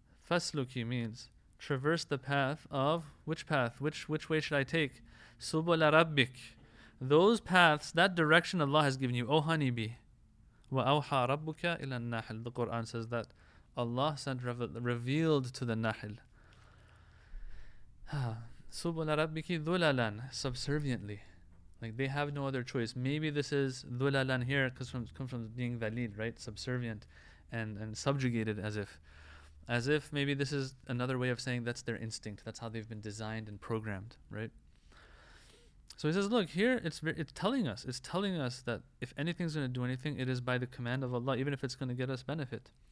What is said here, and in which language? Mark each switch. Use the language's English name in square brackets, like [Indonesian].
[English] فَسْلُكِي means traverse the path of, which path? Which way should I take? [Arabic] سُبُلَ رَبِّكَ. [English] Those paths, that direction Allah has given you, O honeybee. [Arabic] وَأَوْحَى رَبُّكَ إِلَى النَّحِلِ. [English] The Quran says that Allah sent revealed to the Nahil. [Arabic] سُبُلَ رَبِّكِ ذُلَلًا, [English] subserviently. Like they have no other choice. Maybe this is ذُلَلًا here because it comes from being ذَلِيل, right? Subservient and subjugated as if maybe this is another way of saying that's their instinct. That's how they've been designed and programmed, right? So he says, look, here it's telling us that if anything's going to do anything, it is by the command of Allah, even if it's going to get us benefit.